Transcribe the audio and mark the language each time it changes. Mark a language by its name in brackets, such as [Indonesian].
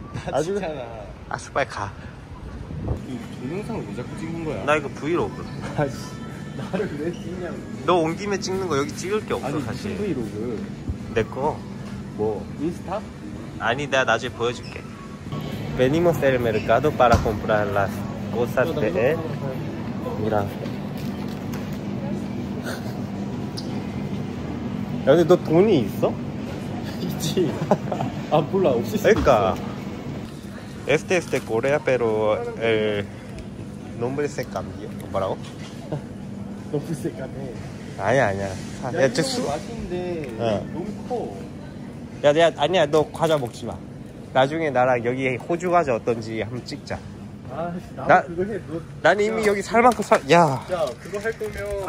[Korean] 나 찍잖아. 아 빨리 가. 동영상 왜 자꾸 찍는 거야? 나 이거 브이로그. 아씨 나를 왜 찍냐고. 너 온 김에 찍는 거 여기 찍을 게 없어 아니, 사실. 아니 브이로그. 내 거. 뭐? 인스타? 아니, 내가 나중에 보여줄게. [Spanish] Venimos del mercado para comprar las cosas de él. Mira. [Korean] 야, 근데 너 돈이 있어? 있지. 아, 몰라. 없을 수도 있어. 그러니까. [Spanish] Este es de Corea, pero el nombre se cambió. [Korean] 뭐라고? 너무 색깔해. 아니야, 아니야. 야, 야 저 맛있는데 너무 커. 야, 아니야, 너 과자 먹지 마. 나중에 나랑 여기 호주 과자 어떤지 한번 찍자. 아, 그거 해. 너, 난 이미 야. 여기 살 만큼 살. 야. 야, 그거 할 거면.